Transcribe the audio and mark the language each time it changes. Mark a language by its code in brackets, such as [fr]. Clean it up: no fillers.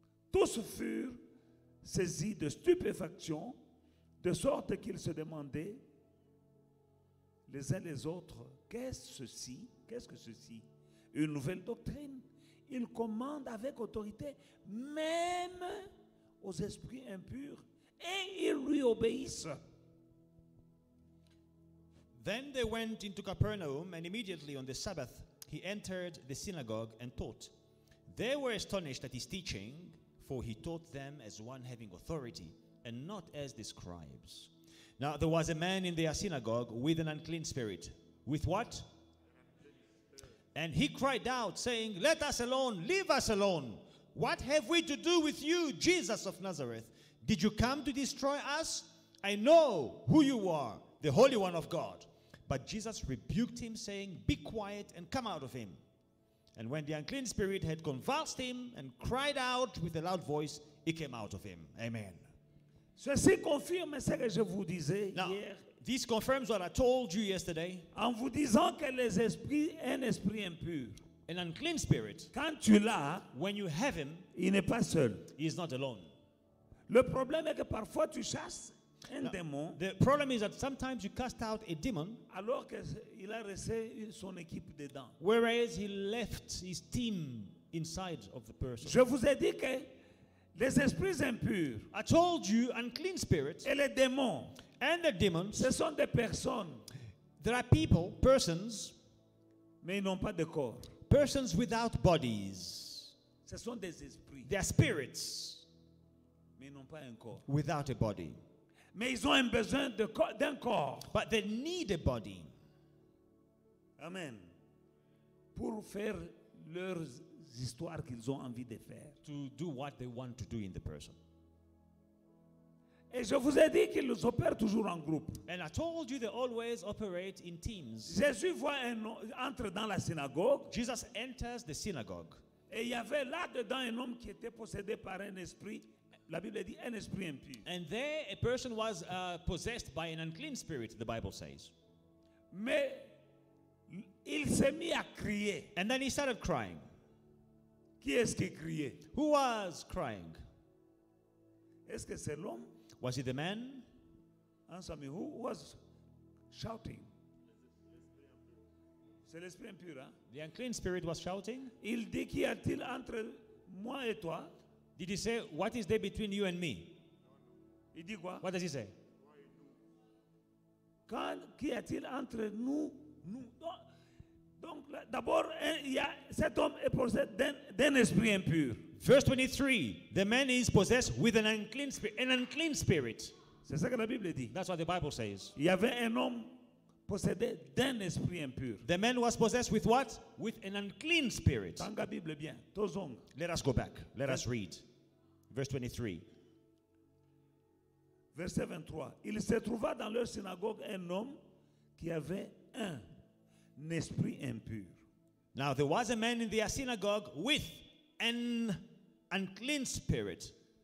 [fr] Tous furent saisis de stupéfaction, de sorte qu'ils se demandaient les uns les autres: qu'est-ce que ceci? Une nouvelle doctrine. Il commande avec autorité même aux esprits impurs et ils lui obéissent. [en] Then they went into Capernaum, and immediately on the Sabbath he entered the synagogue and taught. They were astonished at his teaching, for he taught them as one having authority and not as the scribes. Now there was a man in their synagogue with an unclean spirit. With what? And he cried out, saying, let us alone, leave us alone. What have we to do with you, Jesus of Nazareth? Did you come to destroy us? I know who you are, the Holy One of God. But Jesus rebuked him, saying, be quiet and come out of him. And when the unclean spirit had convulsed him and cried out with a loud voice, he came out of him. Amen. [fr] Ceci confirme ce que je vous disais [en] now, [fr] hier. [en] This confirms what I told you yesterday. [fr] En vous disant que les esprits, un esprit impur, [en] an unclean spirit, [fr] quand tu l'as, [en] when you have him, [fr] il n'est pas seul. [en] He is not alone. [fr] Le problème est que parfois tu chasses un now, démon. [en] The problem is that sometimes you cast out a demon. [fr] Alors que il a resté son équipe dedans. [en] Whereas he left his team inside of the person. [fr] Je vous ai dit que les esprits impurs, [en] I told you, unclean spirits, [fr] et les démons, [en] and the demons, [fr] ce sont des personnes, [en] there are people, persons, [fr] mais ils n'ont pas de corps, [en] persons without bodies, [fr] ce sont des esprits, [en] they are spirits, [fr] mais ils n'ont pas un corps, [en] without a body, [fr] mais ils ont un besoin de d'un corps, [en] but they need a body, [fr] amen, pour faire leurs histoires qu'ils ont envie de faire. [en] To do what they want to do in the person. [fr] Et je vous ai dit qu'ils opèrent toujours en groupe. [en] And I told you they always operate in teams. [fr] Jésus voit un entre dans la synagogue. [en] Jesus enters the synagogue. [fr] Et il y avait là dedans un homme qui était possédé par un esprit. La Bible dit un esprit impur. [en] And there a person was possessed by an unclean spirit, the Bible says. [fr] Mais il s'est mis à crier. [en] And then he started crying. [fr] Qui est-ce qui criait? [en] Who was crying? [fr] Est-ce que c'est l'homme? [en] Was it the man? Answer me, who was shouting? [fr] C'est l'esprit impur, hein? [en] The unclean spirit was shouting. [fr] Il dit, qu'y a-t-il entre moi et toi? [en] Did he say, what is there between you and me? [fr] Il dit quoi? [en] What does he say? [fr] Quand, qu'y a-t-il entre nous? Oh. Donc, là, d'abord, il y a cet homme est possédé d'un esprit impur. [en] Verse 23, the man is possessed with an unclean spirit. [fr] C'est ça que la Bible dit. [en] That's what the Bible says. [fr] Il y avait un homme possédé d'un esprit impur. [en] The man was possessed with what? With an unclean spirit. [ln] Tanga Bible bien. Tozong. [en] Let us go back. Let us read. Verse 23. [fr] Verset 23. Il se trouva dans leur synagogue un homme qui avait un esprit impur. [en] Now there was a man in their synagogue with an unclean spirit.